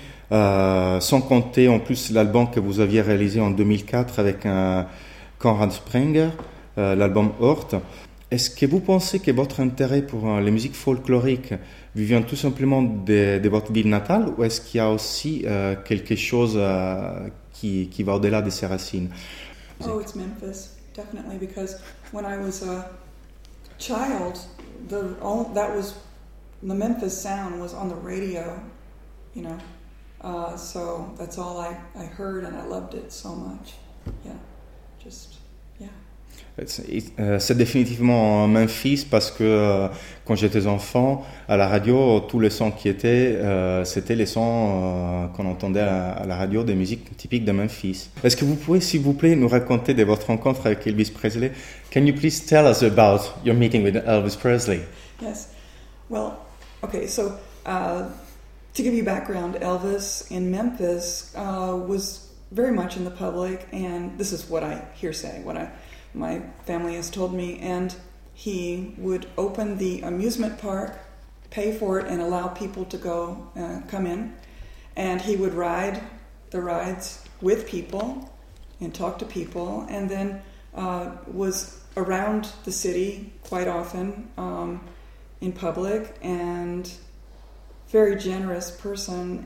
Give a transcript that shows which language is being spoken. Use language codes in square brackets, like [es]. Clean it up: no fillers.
[fr] Sans compter en plus l'album que vous aviez réalisé en 2004 avec Conrad Sprenger, l'album Hort. Est-ce que vous pensez que votre intérêt pour les musiques folkloriques vient tout simplement de votre ville natale, ou est-ce qu'il y a aussi quelque chose qui va au-delà de ses racines? [en] Oh, it's Memphis, definitely, because when I was a child, the Memphis sound was on the radio, you know. So that's all I heard, and I loved it so much. Yeah, just yeah. [fr] C'est définitivement Memphis, parce que quand j'étais enfant, à la radio, tous les sons qui étaient, c'était les sons qu'on entendait à la radio, des musiques typiques de Memphis. Est-ce que vous pouvez, s'il vous plaît, nous raconter de votre rencontre avec Elvis Presley? [en] Can you please tell us about your meeting with Elvis Presley? Yes. Well, okay, so to give you background, Elvis in Memphis was very much in the public, and this is what I hear saying, my family has told me, and he would open the amusement park, pay for it, and allow people to go come in, and he would ride the rides with people and talk to people, and then was around the city quite often in public, and very generous person.